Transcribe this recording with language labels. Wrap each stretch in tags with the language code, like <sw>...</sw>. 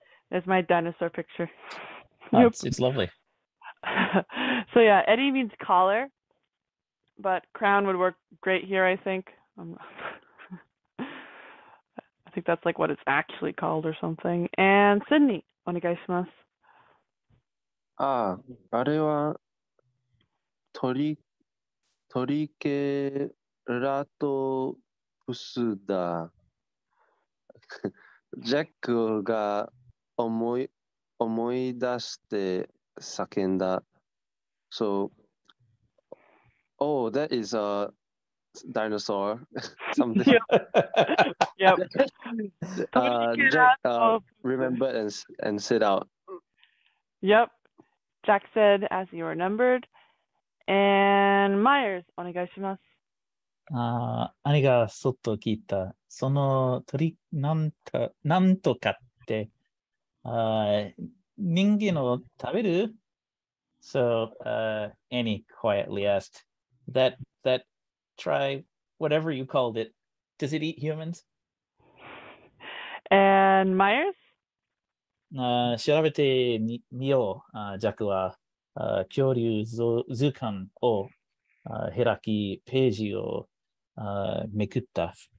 <en>There's my dinosaur picture. Yep. It's lovely. So yeah, Eddie means collar, but crown would work great here, I think. I think that's like what it's actually called or something. And Sydney,</en> <ja>お願いします。あれは鳥鳥ケラトプスだ。ジャックが思い出して叫んだ。</ja> <en>So, oh, that is a dinosaur. Something. Yep. Jack remembered and said out. Yep. Jack said as you were numbered. And Myers,</en> <ja>お願いします。兄がそっと聞いた。その鳥なんとかって、人間を食べる？</ja> <en>So Annie quietly asked, that try, whatever you called it, does it eat humans? And Myers?</en> <ja>調べてみよう、ジャックは恐竜図鑑を開きページをめくった。</ja>